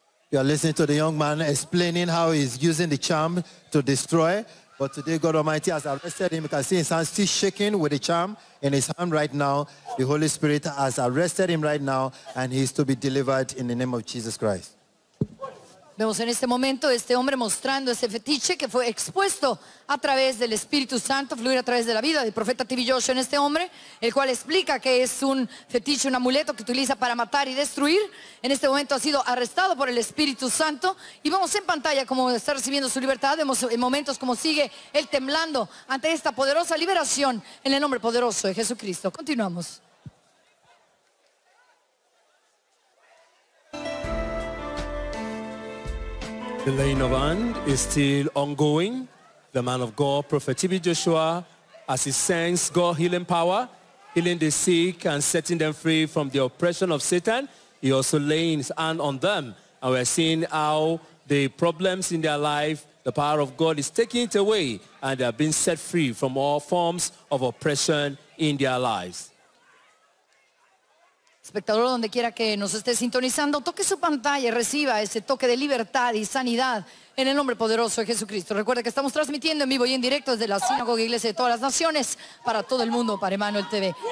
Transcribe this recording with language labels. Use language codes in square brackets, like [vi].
[en] You are listening to the young man explaining how he's using the charm to destroy. But today God Almighty has arrested him. You can see his hand still shaking with the charm in his hand right now. The Holy Spirit has arrested him right now and he is to be delivered in the name of Jesus Christ. [es] Vemos en este momento este hombre mostrando ese fetiche que fue expuesto a través del Espíritu Santo, fluir a través de la vida del profeta TV Joshua en este hombre, el cual explica que es un fetiche, un amuleto que utiliza para matar y destruir. En este momento ha sido arrestado por el Espíritu Santo y vemos en pantalla cómo está recibiendo su libertad, vemos en momentos como sigue él temblando ante esta poderosa liberación en el nombre poderoso de Jesucristo. Continuamos. [en] The laying of hand is still ongoing. The man of God, Prophet TB Joshua, as he sends God's healing power, healing the sick and setting them free from the oppression of Satan, he also laying his hand on them. And we're seeing how the problems in their life, the power of God is taking it away, and they are being set free from all forms of oppression in their lives. [es] Espectador, donde quiera que nos esté sintonizando, toque su pantalla y reciba ese toque de libertad y sanidad en el nombre poderoso de Jesucristo. Recuerde que estamos transmitiendo en vivo y en directo desde la Sinagoga Iglesia de todas las naciones para todo el mundo, para Emmanuel TV.